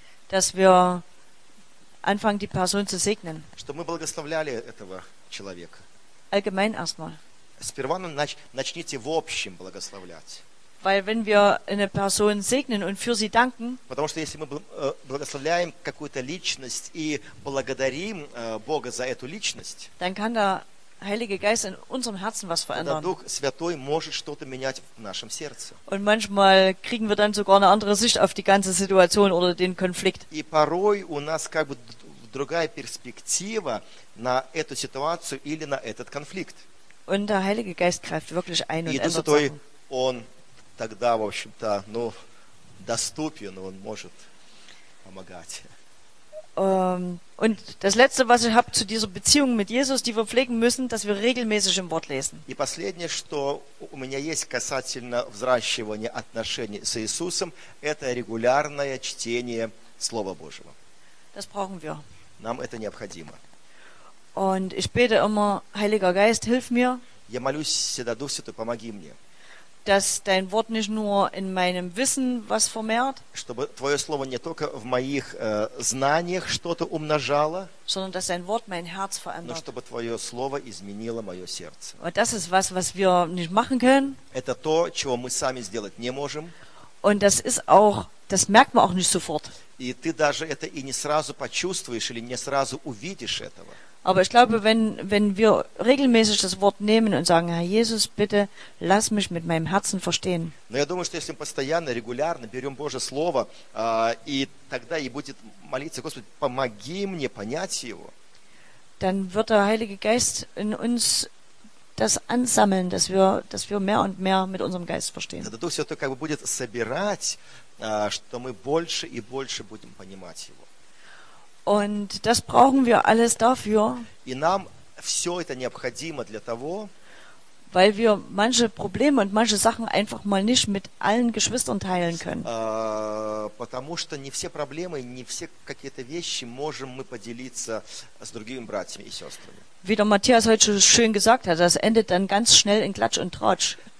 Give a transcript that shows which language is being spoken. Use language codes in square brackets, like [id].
[de] Dass wir anfangen, die Person zu segnen. [ru] Чтобы мы благословляли этого человека. [de] Allgemein erstmal. [ru] Сперва начните в общем благословлять. [de] Weil wenn wir eine Person segnen und für sie danken, [ru] потому что если мы благословляем какую-то личность и благодарим Бога за эту личность, [de] dann kann der Heilige Geist in unserem Herzen was verändern. [ru] Дух Святой может что-то менять в нашем сердце. [de] Und manchmal kriegen wir dann sogar eine andere Sicht auf die ganze Situation oder den Konflikt. [ru] И порой у нас как бы другая перспектива на эту ситуацию или на этот конфликт. [de] Und der Heilige Geist greift wirklich ein und ändert Sachen. [ru] Тогда, в общем-то, ну, доступен, он может помогать. [de] Und das Letzte, was ich habe zu dieser Beziehung mit Jesus, die wir pflegen müssen, dass wir regelmäßig im Wort lesen. [ru] И последнее, что у меня есть касательно взращивания отношений с Иисусом, это регулярное чтение Слова Божьего. [de] Das brauchen wir. [ru] Нам это необходимо. [de] Und ich bete immer, Heiliger Geist, hilf mir. [ru] Я молюсь всегда, Дух Святой, помоги мне. [de] Dass dein Wort nicht nur in meinem Wissen was vermehrt, [ru] чтобы твое слово не только в моих знаниях что-то умножало, [de] sondern dass dein Wort mein Herz verändert. [ru] Но чтобы твое слово изменило мое сердце. [de] Und das ist was, was wir nicht machen können. [ru] Это то, чего мы сами сделать не можем. [de] Und das ist auch, das merkt man auch nicht sofort. [ru] И ты даже это и не сразу почувствуешь или не сразу увидишь этого. [de] Aber ich glaube, wenn wir regelmäßig das Wort nehmen und sagen, Herr Jesus, bitte lass mich mit meinem Herzen verstehen. [ru] Но я думаю, что если мы постоянно, регулярно берем Божье Слово, и тогда и будет молиться, Господи, помоги мне понять его. [de] Dann wird der Heilige Geist in uns das ansammeln, dass wir mehr und mehr mit unserem Geist verstehen. Der [ru] Дух Святой как бы будет собирать, что мы больше и больше будем понимать его. [de] Und das brauchen wir alles dafür. [ru] И нам все это необходимо для того, [de] weil wir manche Probleme und manche Sachen einfach mal nicht mit allen Geschwistern teilen können. [ru] Потому что не все проблемы, не все какие-то вещи можем мы поделиться с другими братьями и сестрами. [de] Wie der Matthias heute schön gesagt hat, das endet dann ganz schnell in Klatsch und Tratsch.